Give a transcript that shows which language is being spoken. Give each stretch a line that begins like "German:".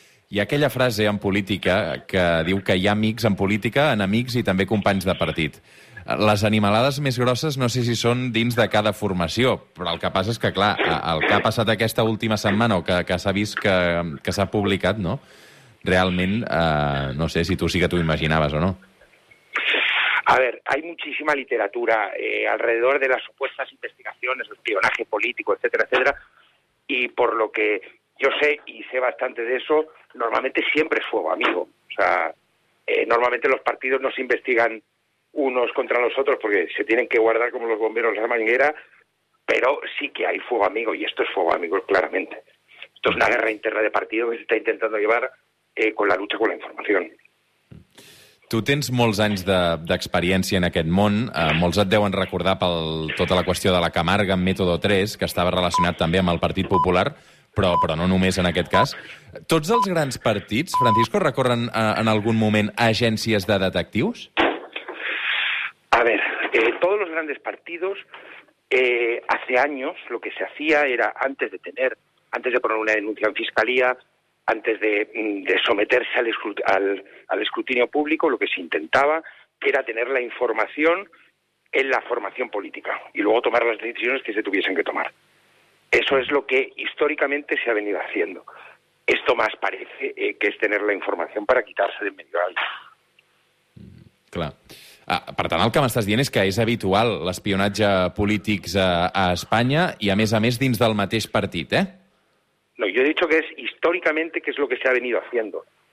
Catalan: Hi ha aquella frase en política que diu que hi ha amics en política, enemics i també companys de partit. Les animalades més grosses no sé si són dins de cada formació, però el que passa és que, clar, el que ha passat aquesta última setmana o que s'ha vist que s'ha publicat, no? Realment, no sé si tu sí que t'ho imaginaves o no.
Spanish: A ver, hay muchísima literatura alrededor de las supuestas investigaciones, espionaje político, etcétera, etcétera, y por lo que yo sé y sé bastante de eso, normalmente siempre es fuego amigo. O sea, normalmente los partidos no se investigan unos contra los otros porque se tienen que guardar como los bomberos la manguera, pero sí que hay fuego amigo, y esto es fuego amigo claramente. Esto es una guerra interna de partido que se está intentando llevar con la lucha con la información.
Catalan: Tu tens molts anys d'experiència en aquest món. Molts et deuen recordar per tota la qüestió de La Camarga amb Método 3, que estava relacionat també amb el Partit Popular, però no només en aquest cas. Tots els grans partits, Francisco, recorren en algun moment a agències de detectius?
Spanish: A ver, todos los grandes partidos, hace años lo que se hacía era antes de poner una denuncia en fiscalía, antes de someterse al escrutinio público, lo que se intentaba era tener la información en la formación política y luego tomar las decisiones que se tuviesen que tomar. Eso es lo que históricamente se ha venido haciendo. Esto más parece que es tener la información para quitarse de en medio de alguien. Claro.
Catalan: Per tant, el que m'estàs dient és que és habitual l'espionatge polític a Espanya i, a més, dins del mateix partit, eh?
Spanish: No, yo he dicho que es históricamente que es lo que se ha venido haciendo.